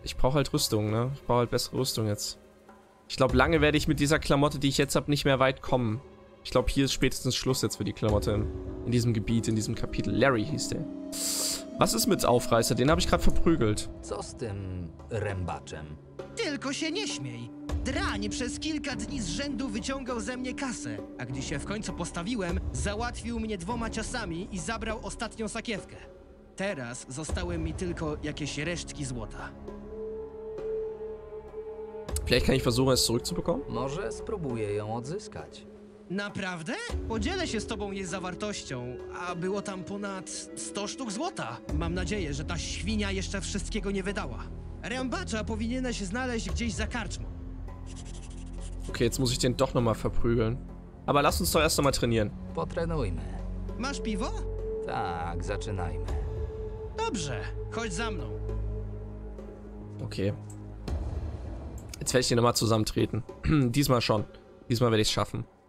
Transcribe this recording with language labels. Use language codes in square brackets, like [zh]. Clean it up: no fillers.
[de] Ich brauche halt Rüstung, ne? Ich brauche halt bessere Rüstung jetzt. Ich glaube, lange werde ich mit dieser Klamotte, die ich jetzt habe, nicht mehr weit kommen. Ich glaube, hier ist spätestens Schluss jetzt für die Klamotte. In diesem Gebiet, in diesem Kapitel. Larry hieß der. Was ist mit Aufreißer? Den habe ich gerade verprügelt. [pl] Co z tym rębaczem? Tylko się nie śmiej. Drań przez kilka dni z rzędu wyciągał ze mnie kasę, a gdy się w końcu postawiłem, załatwił mnie dwoma ciosami i zabrał ostatnią sakiewkę. Teraz zostały mi tylko jakieś resztki złota. [de] Vielleicht kann ich versuchen, es zurückzubekommen? [pl] Może spróbuję ją odzyskać. Naprawdę? Podzielę się z tobą jej zawartością, a było tam ponad 100 sztuk złota. Mam nadzieję, że ta świnia jeszcze wszystkiego nie wydała. Rębacza powinieneś znaleźć gdzieś za karczmą. [de] Okay, jetzt muss ich den doch nochmal verprügeln. Aber lass uns doch erst nochmal trainieren. [pl] Potrenujmy. Masz piwo? Tak, zaczynajmy. Dobrze, chodź za mną. Okay. [de] Jetzt werde ich den nochmal zusammentreten. Diesmal schon. Diesmal werde ich es schaffen.